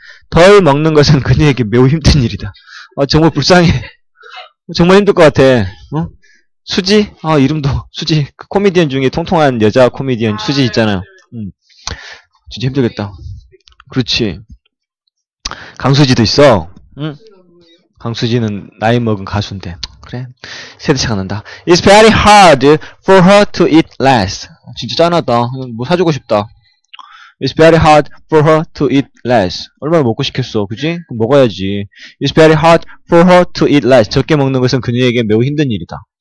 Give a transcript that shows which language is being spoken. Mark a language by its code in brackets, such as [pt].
[ko] 덜 먹는 것은 그녀에게 매우 힘든 일이다. 아, 정말 불쌍해. 정말 힘들 것 같아. 어? 수지? 아, 이름도 수지. 그 코미디언 중에 통통한 여자 코미디언 아, 수지 있잖아요. 진짜 힘들겠다. 그렇지. 강수지도 있어. 응? 강수지는 나이 먹은 가수인데. 그래. 세대 차가 난다. [en] It's very hard for her to eat less. [ko] 진짜 짠하다. 뭐 사주고 싶다. [en] It's very hard for her to eat less. [ko] 얼마나 먹고 싶겠어. 그지? 그럼 먹어야지. [en] It's very hard for her to eat less. [ko] 적게 먹는 것은 그녀에게 매우 힘든 일이다.